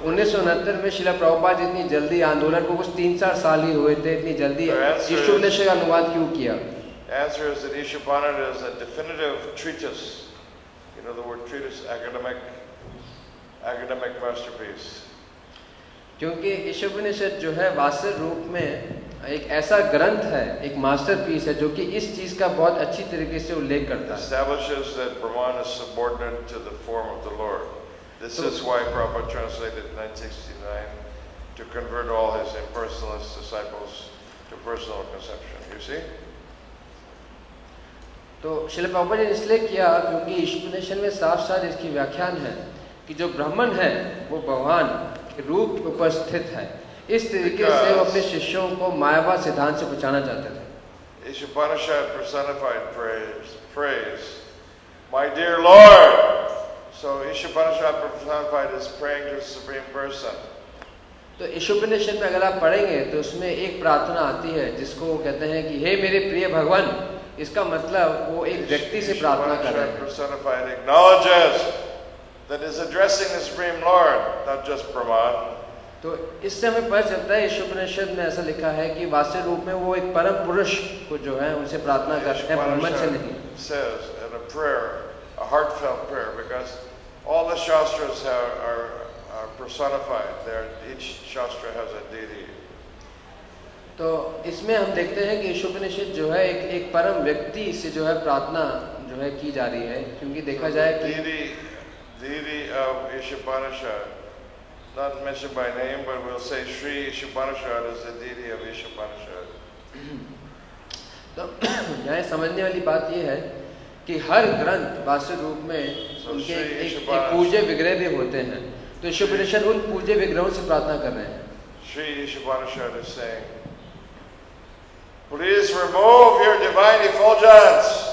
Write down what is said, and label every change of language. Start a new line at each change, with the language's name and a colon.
Hindi: तो 1969 में श्रील प्रभुपाद जी इतनी जल्दी आंदोलन को कुछ 3-4 साल ही हुए थे, इतनी जल्दी इशुपनिषद का अनुवाद क्यों किया?
English: Answer is that Ishupanishad is a definitive treatise. You know the word treatise, academic masterpiece.
Hindi: क्योंकि इशुपनिषद जो है वास्तविक रूप में एक ऐसा ग्रंथ है, एक मास्टरपीस है, जो कि इस चीज का बहुत अच्छी तरीके से उल्लेख करता है।
English: Establishes that Brahman is subordinate to the form of the Lord. This is why Prabhupada translated 1969 to convert all his impersonalist disciples to personal conception. You see?
Hindi: तो श्रील प्रभुपाद जी ने इसलिए किया क्योंकि इशुपनिषद में साफ साफ इसकी व्याख्यान है कि जो ब्राह्मण है वो भगवान के रूप उपस्थित है। इस तरीके से वो अपने शिष्यों को मायावाद सिद्धांत से बचाना चाहते थे।
English: Ishopanishad personified praise, my dear Lord. So Ishopanishad personified is praying to the supreme person.
Hindi: तो इशुपनिषद में अगर आप पढ़ेंगे तो उसमें एक प्रार्थना आती है जिसको वो कहते हैं कि हे मेरे प्रिय भगवान। इसका मतलब वो एक व्यक्ति से प्रार्थना कर रहे हैं। तो इससे हमें पता चलता है इशुपनिषद में ऐसा लिखा है कि वास्तविक रूप में वो एक परम पुरुष को जो है उनसे प्रार्थना कर रहे हैं, ब्रह्मन से नहीं।
English: Says in a prayer, a heartfelt prayer, because all the shastras are personified. There, each shastra has a deity.
Hindi: तो इसमें हम देखते हैं कि इशुपनिषद जो है एक एक परम व्यक्ति से जो है प्रार्थना जो है की जा रही है, क्योंकि देखा जाए कि
English: Devi of Ishopanishad, not mention by name but we will say Shri Ishopanishad is the devi of Ishopanishad.
Hindi: तो यहाँ समझने वाली बात यह है कि हर ग्रंथ वास्तविक रूप में उनके एक पूज्य विग्रह भी होते हैं। तो इशुपनिषद उन पूज्य विग्रहों से प्रार्थना कर रहे हैं। Shri इशुपनिषद
English: Is saying, Please remove your divine effulgence.